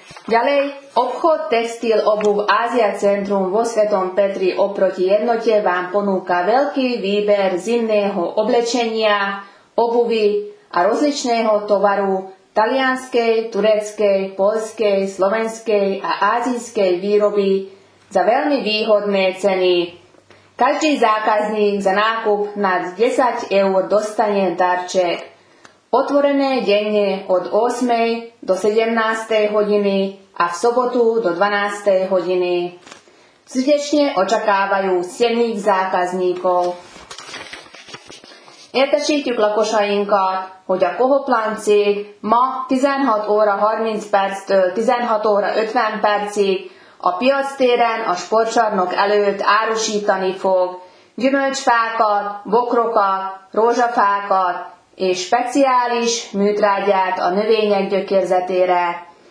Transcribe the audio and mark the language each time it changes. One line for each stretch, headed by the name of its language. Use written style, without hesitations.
Slovak: Ďalej, obchod textil obuv Ázia Centrum vo Svetom Petri oproti jednote vám ponúka veľký výber zimného oblečenia, obuvy a rozličného tovaru talianskej, tureckej, poľskej, slovenskej a ázijskej výroby za veľmi výhodné ceny. Každý zákazník za nákup nad 10 eur dostane darček. Otvorené denne od 8 do 17 hodiny a v sobotu do 12 hodiny. Srdečne očakávajú silných zákazníkov.
Hungarian: Értesítjük lakosainkat, hogy a Kohoplant cég ma 16 óra 30 perctől 16 óra 50 percig a piactéren a sportcsarnok előtt árusítani fog gyümölcsfákat, bokrokat, rózsafákat és speciális műtrágyát a növények gyökérzetére.